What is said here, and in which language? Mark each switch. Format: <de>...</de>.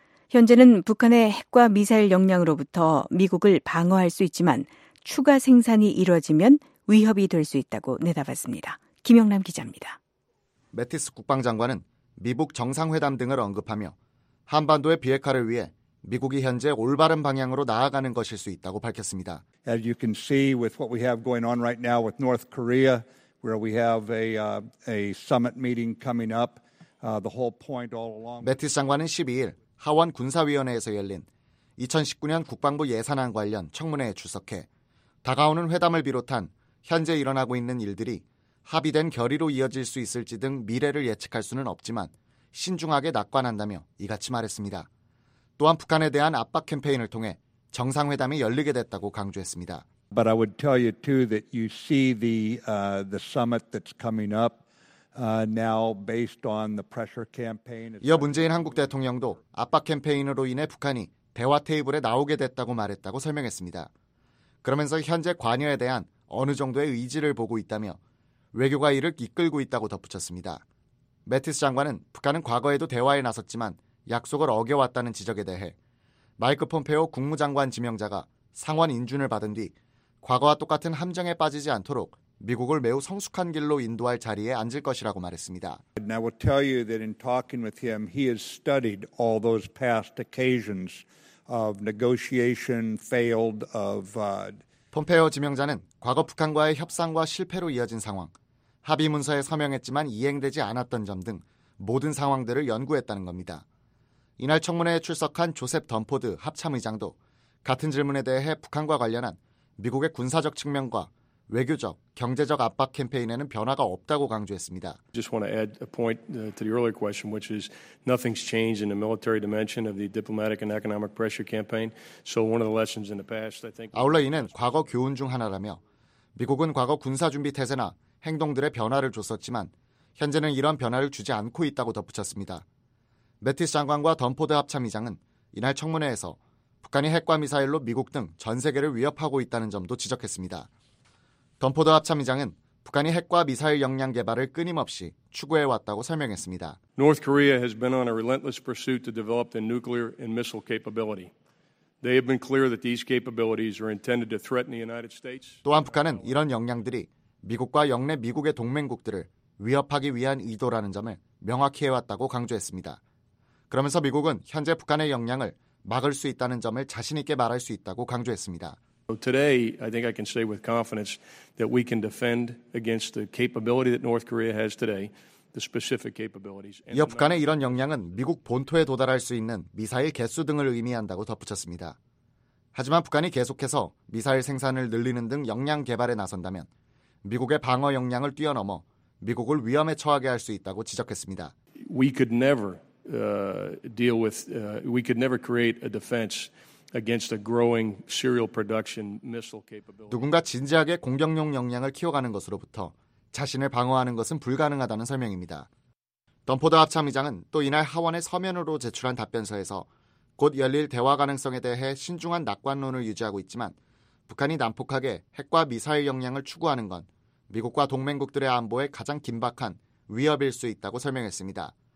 <ko>현재는 북한의 핵과 미사일 역량으로부터 미국을 방어할 수 있지만 추가 생산이 이뤄지면 위협이 될 수 있다고 내다봤습니다. 김영남 기자입니다. 매티스 국방장관은 미북 정상회담 등을 언급하며 한반도의 비핵화를 위해 미국이 현재 올바른 방향으로 나아가는 것일 수 있다고 밝혔습니다.</ko> <en>As you can see with what we have going on right now with North Korea, where we have a summit meeting coming up, the whole point all along.</en> <ko>매티스 장관은 12일 하원 군사위원회에서 열린 2019년 국방부 예산안 관련 청문회에 출석해 다가오는 회담을 비롯한 현재 일어나고 있는 일들이 합의된 결의로 이어질 수 있을지 등 미래를 예측할 수는 없지만 신중하게 낙관한다며 이같이 말했습니다. 또한 북한에 대한 압박 캠페인을 통해 정상회담이 열리게 됐다고 강조했습니다.</ko> <en>But I would tell you too that you see the summit that's coming up now based on the pressure campaign.</en> <ko>이어 문재인 한국 대통령도 압박 캠페인으로 인해 북한이 대화 테이블에 나오게 됐다고 말했다고 설명했습니다. 그러면서 현재 관여에 대한 어느 정도의 의지를 보고 있다며 외교가 이를 이끌고 있다고 덧붙였습니다. 매티스 장관은 북한은 과거에도 대화에 나섰지만 약속을 어겨왔다는 지적에 대해 마이크 폼페오 국무장관 지명자가 상원 인준을 받은 뒤 과거와 똑같은 함정에 빠지지 않도록 미국을 매우 성숙한 길로 인도할 자리에 앉을 것이라고 말했습니다.</ko> <en>And I will tell you that in talking with him, he has studied all those past occasions of negotiation failed of.</en> <ko>폼페오 지명자는 과거 북한과의 협상과 실패로 이어진 상황, 합의 문서에 서명했지만 이행되지 않았던 점 등 모든 상황들을 연구했다는 겁니다. 이날 청문회에 출석한 조셉 던포드 합참의장도 같은 질문에 대해 북한과 관련한 미국의 군사적 측면과 외교적, 경제적 압박 캠페인에는 변화가 없다고 강조했습니다.</ko> <en>Just want to add a point to the earlier question, which is nothing's changed in the military dimension of the diplomatic and economic pressure campaign. So one of the lessons in the past, I think.</en> <ko>아울러 이는 과거 교훈 중 하나라며 미국은 과거 군사 준비 태세나 행동들의 변화를 줬었지만 현재는 이런 변화를 주지 않고 있다고 덧붙였습니다. 매티스 장관과 던포드 합참의장은 이날 청문회에서 북한이 핵과 미사일로 미국 등 전 세계를 위협하고 있다는 점도 지적했습니다. 던포드 합참의장은 북한이 핵과 미사일 역량 개발을 끊임없이 추구해왔다고 설명했습니다.</ko> <en>North Korea has been on a relentless pursuit to develop the nuclear and missile capability. They have been clear that these capabilities are intended to threaten the United States.</en> <ko>또한 북한은 이런 역량들이 미국과 영내 미국의 동맹국들을 위협하기 위한 의도라는 점을 명확히 해왔다고 강조했습니다. 그러면서 미국은 현재 북한의 역량을 막을 수 있다는 점을 자신 있게 말할 수 있다고 강조했습니다.</ko> <en>Today, I think I can say with confidence that we can defend against the capability that North Korea has today, the specific capabilities.</en> <ko>이어 북한의 이런 역량은 미국 본토에 도달할 수 있는 미사일 개수 등을 의미한다고 덧붙였습니다. 하지만 북한이 계속해서 미사일 생산을 늘리는 등 역량 개발에 나선다면 미국의 방어 역량을 뛰어넘어 미국을 위험에 처하게 할 수 있다고 지적했습니다.</ko> <en>We could never deal with, we could never create a defense against a growing serial production missile capability.</en> <ko>누군가 진지하게 공격용 역량을 키워가는 것으로부터 자신을 방어하는 것은 불가능하다는 설명입니다. 덤포드 합참의장은 또 이날 하원에 서면으로 제출한 답변서에서 곧 열릴 대화 가능성에 대해 신중한 낙관론을 유지하고 있지만 북한이 난폭하게 핵과 미사일 역량을 추구하는 건 미국과 동맹국들의 안보에 가장 긴박한 위협일 수 있다고 설명했습니다.</ko>